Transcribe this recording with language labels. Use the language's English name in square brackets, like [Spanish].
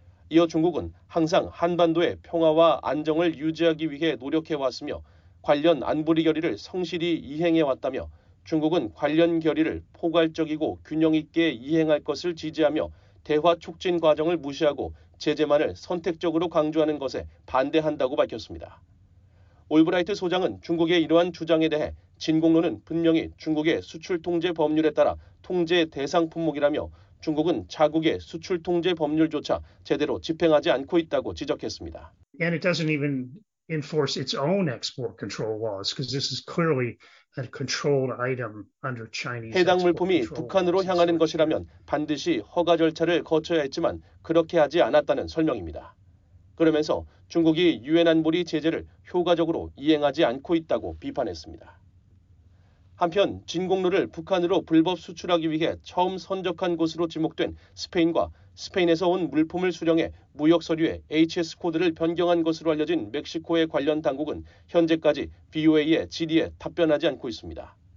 [Korean] 이어 중국은 항상 한반도의 평화와 안정을 유지하기 위해 노력해왔으며 관련 안보리 결의를 성실히 이행해왔다며 중국은 관련 결의를 포괄적이고 균형 있게 이행할 것을 지지하며 대화 촉진 과정을 무시하고 제재만을 선택적으로 강조하는 것에 반대한다고 밝혔습니다. 올브라이트 소장은 중국의 이러한 주장에 대해 진공로는 분명히 중국의 수출 통제 법률에 따라 통제 대상 품목이라며 중국은 자국의 수출 통제 법률조차 제대로 집행하지 않고 있다고 지적했습니다. [English] And it doesn't even enforce its own export control laws because this is clearly a controlled item under Chinese. [Korean] 해당 물품이 북한으로 향하는 것이라면 반드시 허가 절차를 거쳐야 했지만 그렇게 하지 않았다는 설명입니다. 그러면서 중국이 유엔 안보리 제재를 효과적으로 이행하지 않고 있다고 비판했습니다. 한편 진공로를 북한으로 불법 수출하기 위해 처음 선적한 곳으로 지목된 스페인과 스페인에서 온 물품을 수령해 무역 서류에 HS코드를 변경한 것으로 알려진 멕시코의 관련 당국은 현재까지 BOA의 질의에 답변하지 않고 있습니다.